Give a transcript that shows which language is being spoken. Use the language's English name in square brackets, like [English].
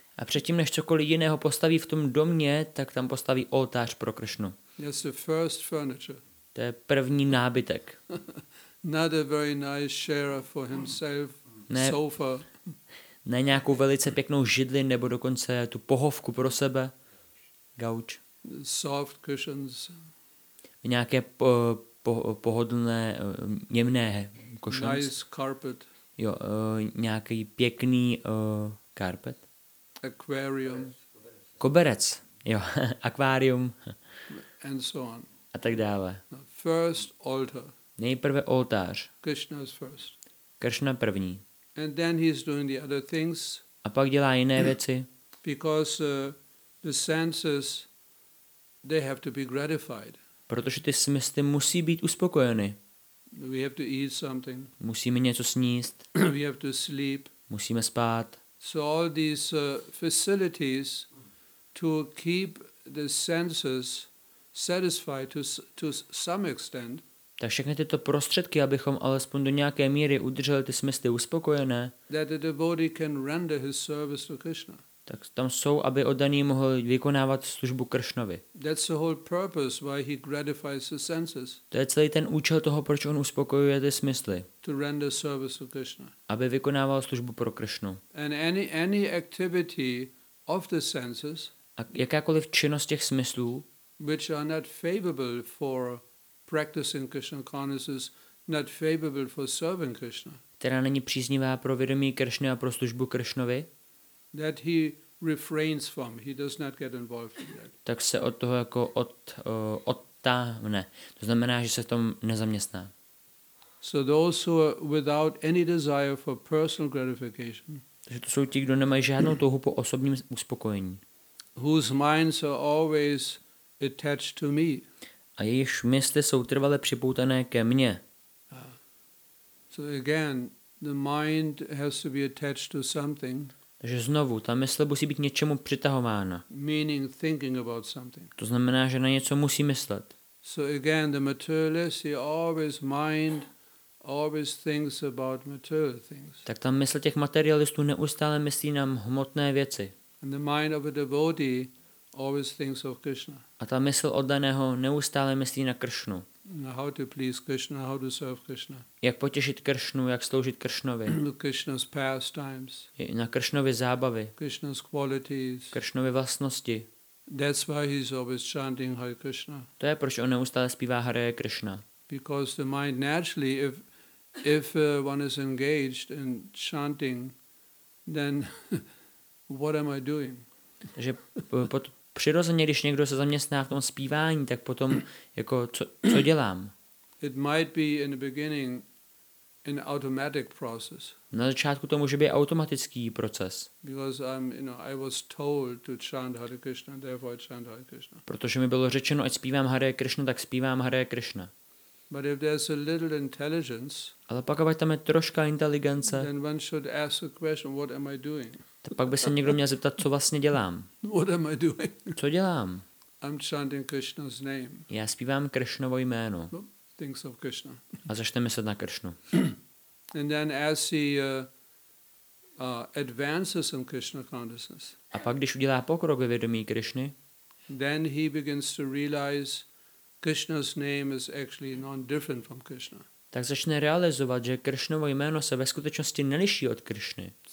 [Czech] A předtím, než cokoliv jiného postaví v tom domě, tak tam postaví oltář pro Kršnu. [English] That's the first furniture. [Czech] To je první nábytek. [English] Not a very nice chair for himself, sofa. [Czech] Ne nějakou velice pěknou židli nebo dokonce tu pohovku pro sebe. Gauč. [English] Soft cushions. [Czech] Nějaké pohodlné, jemné cushions. [English] Nice carpet. [Czech] Jo, nějaký pěkný carpet. [English] Aquarium. [Czech] Koberec. Jo, akvárium. [English] And so on. [Czech] A tak dále. [English] First altar. [Czech] Nejprve oltář. [English] Krishna is first. [Czech] Krishna první. [English] And then he is doing the other things. [Czech] A pak dělá jiné věci. [English] Because the senses, they have to be gratified. [Czech] Protože ty smysly musí být uspokojeny. [English] We have to eat something. [Czech] Musíme něco sníst. [English] We have to sleep. [Czech] Musíme spát. [English] So all these facilities to keep the senses satisfied to some extent. [Czech] Tak všechny tyto prostředky, abychom alespoň do nějaké míry udrželi ty smysly uspokojené. [English] That the devotee can render his service to Krishna. [Czech] Tak tam jsou, aby oddaný mohl vykonávat službu Kršnovi. [English] That's the whole purpose why he gratifies the senses. [Czech] To je celý ten účel toho, proč on uspokojuje ty smysly. [English] To render service to Krishna. [Czech] Aby vykonával službu pro Kršnu. [English] And any activity of the senses. [Czech] A jakákoliv činnost těch smyslů, [English] which are not favorable for practicing Krishna consciousness, not favorable for serving Krishna. [Czech] Která není příznivá pro vědomí Kršny a pro službu Kršnovi. [English] That he refrains from, he does not get involved in that. [Czech] Tak se od toho jako odtáhne. To znamená, že se v tom nezaměstná. [English] So those who are without any desire for personal gratification. [Czech] Takže to jsou ti, kdo nemají žádnou touhu po osobním uspokojení. [English] Whose minds are always attached to me. [Czech] A jejichž mysli jsou trvale připoutané ke mně. [English] So again, the mind has to be attached to something. [Czech] Takže znovu, ta mysl musí být něčemu přitahována. [English] Meaning thinking about something. [Czech] To znamená, že na něco musí myslet. [English] So again, the materialist, he always mind always thinks about material things. [Czech] Tak ta mysl těch materialistů neustále myslí na hmotné věci. [English] And the mind of a devotee always thinks of Krishna. [Czech] A ta mysl oddaného neustále myslí na Kršnu. [English] How to please Krishna, how to serve Krishna. [Czech] Jak potěšit Kršnu, jak sloužit Kršnovi. [English] Krishna's pastimes. [Czech] Na Kršnovi zábavy. [English] Krishna's qualities. [Czech] Kršnovi vlastnosti. [English] That's why he's always chanting Hare Krishna. [Czech] To je proč on neustále zpívá Hare Krishna. [English] Because the mind naturally, if one is engaged in chanting, then what am I doing? [Czech] Takže přirozeně, když někdo se zaměstná v tom zpívání, tak potom jako co dělám? [English] It might be in the beginning an automatic process. [Czech] Na začátku to může být automatický proces. [English] Because I'm, you know, I was told to chant Hare Krishna, therefore I chant Hare Krishna. [Czech] Protože mi bylo řečeno, ať zpívám Hare Krishna, tak zpívám Hare Krishna. [English] But if there's a little intelligence, [Czech] ale pak když tam je troška inteligence, [English] then one should ask a question, what am I doing? [Czech] Tak pak by se někdo měl zeptat, co vlastně dělám. [English] What am I doing? [Czech] Co dělám? [English] I'm chanting Krishna's name. [Czech] Já zpívám Krishnovo jméno. [English] Thinks of Krishna. [Czech] A začneme se na Krishnu. [English] And then as he advances in Krishna consciousness. [Czech] A pak když udělá pokrok ve vědomí Krishny, [English] then he begins to realize Krishna's name is actually non-different from Krishna. [Czech] Tak začne realizovat, že Kršnovo jméno se ve skutečnosti neliší od Kršny.